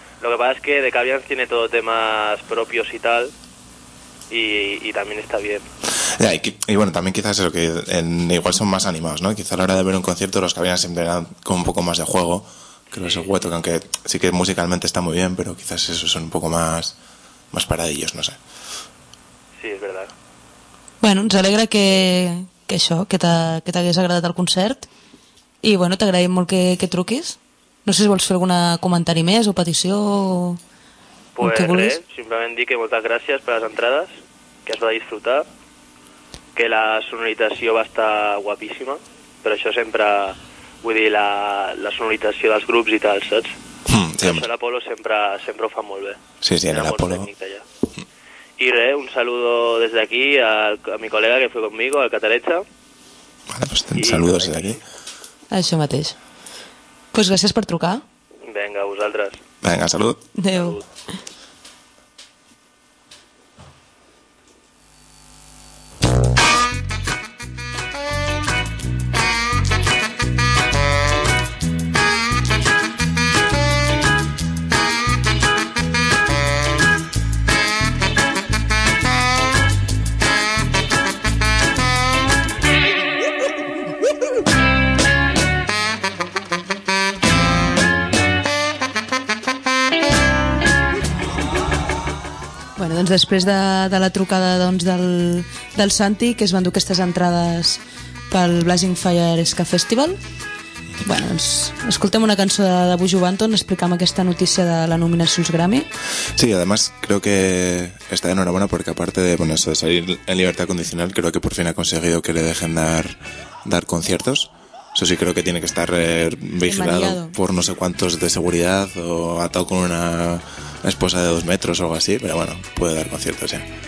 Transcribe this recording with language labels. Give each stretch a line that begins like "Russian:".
Spanish: Lo que pasa es que de Cabrians tiene todo temas propios y tal, y también está bien. Ya, y bueno, también quizás eso, que igual son más animados, ¿no? Quizás a la hora de ver un concierto los cabinas siempre eran con un poco más de juego que los Wetok, aunque sí que musicalmente está muy bien, pero quizás eso son un poco más paradillos, no sé. Sí, es verdad.
Catalan: Bueno, ens alegra que això, que t'hagués agradat el concert. I bueno, t'agraïm molt que truquis. No sé si vols fer algun comentari més o petició o... Pues que res, simplement dir que moltes gràcies per les entrades, que es va disfrutar, que la sonorització va estar guapíssima, però això sempre, vull dir, la sonorització dels grups i tal, saps? Sí, això l'Apolo sempre ho fa molt bé. Sí, sí, en l'Apolo...
Spanish: Y re, un saludo desde aquí a mi colega que fue conmigo, al Cataletxa. Vale, pues saludos desde aquí.
Catalan: Això mateix.
Spanish: Pues gracias por trucar. Venga,
Catalan: vosaltres.
Spanish: Venga, salud.
Catalan: Adéu. Doncs després de la trucada doncs, del Santi, que es van dur aquestes entrades pel Blazing Fire Ska Festival, bueno, doncs, escoltem una cançó de Buju Banton, explicant aquesta notícia de la nominació als Grammy.
Spanish: Sí, además creo que está enhorabuena porque aparte de, bueno, eso de salir en libertad condicional, creo que por fin ha conseguido que le dejen dar conciertos. Eso sí, creo que tiene que estar vigilado por no sé cuántos de seguridad o atado con una esposa de 2 metros o algo así, pero bueno, puede dar conciertos ya.